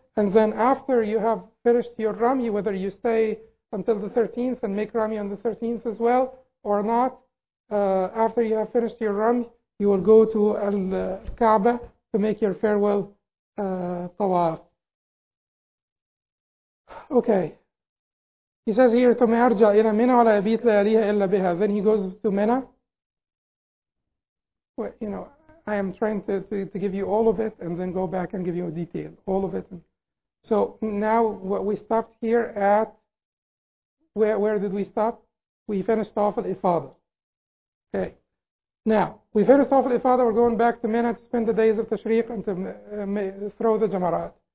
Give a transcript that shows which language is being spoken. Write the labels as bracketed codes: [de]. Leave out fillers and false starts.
[en] And then after you have finished your Rami, whether you stay until the 13th and make Rami on the 13th as well, or not, after you have finished your Rami, you will go to Al Kaaba to make your farewell tawaf. Okay. He says here, [ar] ثم يرجع إلى منى ولا يبيت لياليها إلا بها. [en] Then he goes to Mina. Well, you know, I am trying to give you all of it and then go back and give you a detail, all of it. So now what we stopped here at, where did we stop? We finished off at Ifada. Okay. Now, we finished off at Ifada, we're going back to Mina to spend the days of Tashriq and to throw the Jamarat.